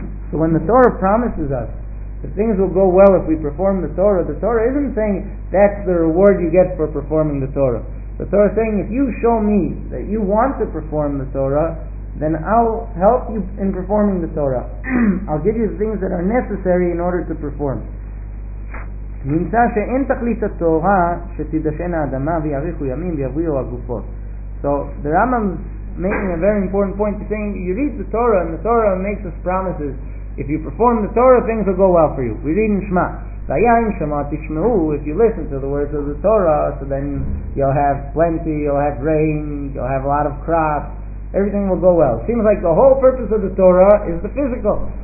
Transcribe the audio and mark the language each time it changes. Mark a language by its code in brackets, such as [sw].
[en] So when the Torah promises us that things will go well if we perform the Torah isn't saying that's the reward you get for performing the Torah. The Torah is saying, if you show me that you want to perform the Torah, then I'll help you in performing the Torah. I'll give you the things that are necessary in order to perform. [he] נמצא שאין תכלית התורה שתדשן האדמה ויאריכו ימים ויבריאו הגופות. [en] So the Rambam is making a very important point. He's saying, you read the Torah, and the Torah makes us promises. If you perform the Torah, things will go well for you. We read in Shema. [he] Vayayim Shema Tishmehu, [en] if you listen to the words of the Torah, so then you'll have plenty, you'll have rain, you'll have a lot of crops, everything will go well. It seems like the whole purpose of the Torah is the physical.